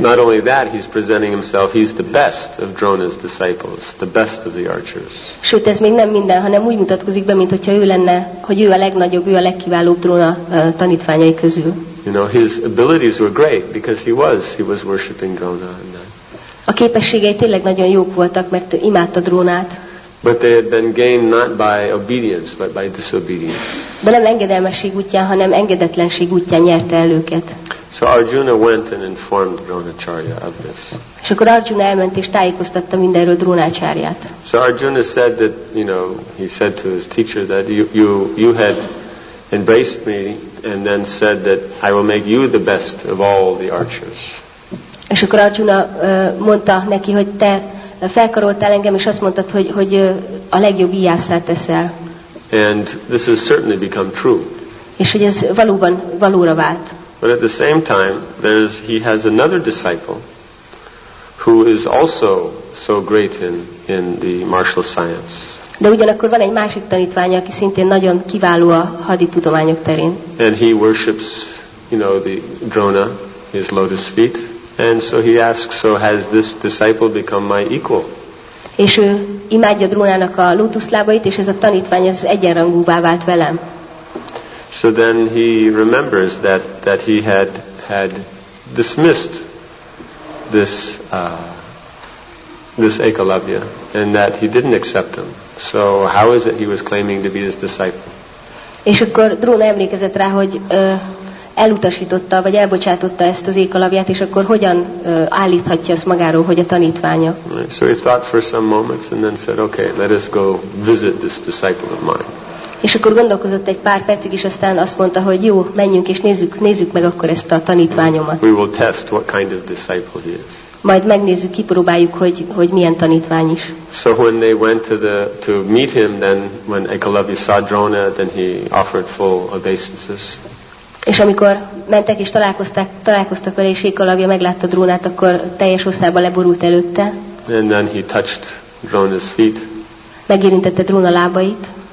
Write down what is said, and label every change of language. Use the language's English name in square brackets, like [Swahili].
[English] Not only that, he's presenting himself, he's the best of Drona's disciples, the best of the archers. [Hungarian] Sőt, ez még nem minden, hanem úgy mutatkozik be, mintha ő lenne, hogy ő a legnagyobb, ő a legkiválóbb Drona tanítványai közül. [English] You know, his abilities were great because he was worshiping Drona. [Hungarian] A képességei tényleg nagyon jók voltak, mert imádta Drónát. [English] But they had been gained not by obedience, but by disobedience. [Hungarian] De nem engedelmesség útján, hanem engedetlenség útján nyerte el őket. [English] So Arjuna went and informed Dronacharya of this. [Hungarian] És akkor Arjuna elment és tájékoztatta mindenről Drónácsáryát. [English] So Arjuna said that, you know, he said to his teacher that you had embraced me and then said that I will make you the best of all the archers. [Hungarian] És akkor Arjuna mondta neki, hogy te felkaroltál engem, és azt mondtad, hogy a legjobb íjászát teszel. [English] And this has certainly become true. [Hungarian] És hogy ez valóban valóra vált. [English] But at the same time, he has another disciple who is also so great in the martial science. [Hungarian] De ugyanakkor van egy másik tanítványa, aki szintén nagyon kiváló a haditudományok terén. [English] And he worships, you know, the Drona, his lotus feet. And so he asks, so has this disciple become my equal? [Hungarian] És ő imádja Drónának a lótuszlábait, és ez a tanítvány ez egyenrangúvá vált velem. [English] So then he remembers that he had dismissed this Ekalavya, and that he didn't accept him. So how is it he was claiming to be his disciple? [Hungarian] És akkor Dróna emlékezett rá, hogy elutasította vagy elbocsátotta ezt az Ékalavját, és akkor hogyan állíthatja ezt magáról, hogy a tanítványa? [English] So he thought for some moments and then said, okay, let us go visit this disciple of mine. [Hungarian] És akkor gondolkozott egy pár percig, és aztán azt mondta, hogy jó, menjünk és nézzük meg akkor ezt a tanítványomat. [English] We will test what kind of disciple he is. [Hungarian] Majd megnézzük, kipróbáljuk, hogy milyen tanítvány is. [English] So when they went to meet him, then when Ekalavya saw Drona, then he offered full obeisances. [Hungarian] És amikor mentek és találkoztak vele, és Ékalavja meglátta Drónát, akkor teljes hosszában leborult előtte. [English] And then he touched Drona's feet. [Hungarian] Megérintette Dróna lábait.